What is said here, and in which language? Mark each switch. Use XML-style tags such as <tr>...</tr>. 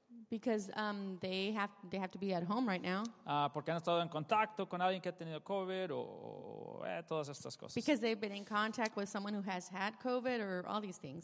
<en>Because they have to be at home right now.</en> <es>Porque han estado en contacto con alguien que ha tenido COVID o todas estas cosas.</es> <en>Because they've been in contact with someone who has had COVID or all these things.</en>